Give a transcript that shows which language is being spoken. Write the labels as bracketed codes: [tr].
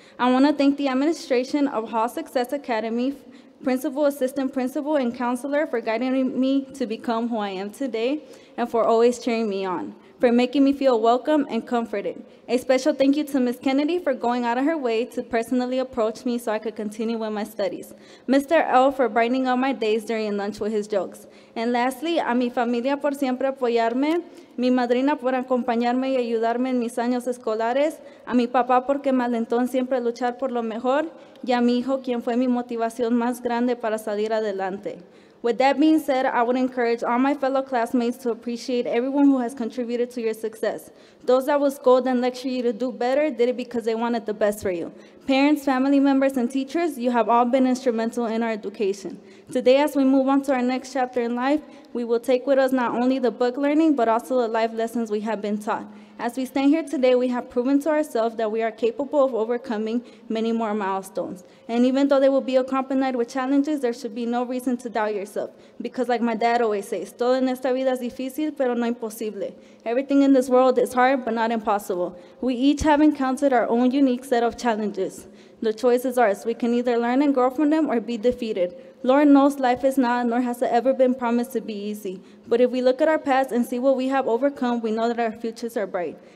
[en] I want to thank the administration of Hall Success Academy, principal, assistant principal, and counselor for guiding me to become who I am today and for always cheering me on, for making me feel welcome and comforted. A special thank you to Ms. Kennedy for going out of her way to personally approach me so I could continue with my studies. Mr. L for brightening up my days during lunch with his jokes. And lastly, [es] a mi familia por siempre apoyarme, mi madrina por acompañarme y ayudarme en mis años escolares, a mi papá porque me alentó siempre a luchar por lo mejor, y a mi hijo quien fue mi motivación más grande para salir adelante. [en] With that being said, I would encourage all my fellow classmates to appreciate everyone who has contributed to your success. Those that will scold and lecture you to do better did it because they wanted the best for you. Parents, family members, and teachers, you have all been instrumental in our education. Today, as we move on to our next chapter in life, we will take with us not only the book learning, but also the life lessons we have been taught. As we stand here today, we have proven to ourselves that we are capable of overcoming many more milestones. And even though they will be accompanied with challenges, there should be no reason to doubt yourself. Because like my dad always says, [es] todo en esta vida es difícil, pero no imposible. [en] Everything in this world is hard, but not impossible. We each have encountered our own unique set of challenges. The choice is ours. We can either learn and grow from them or be defeated. Lord knows life is not, nor has it ever been promised to be easy. But if we look at our past and see what we have overcome, we know that our futures are bright.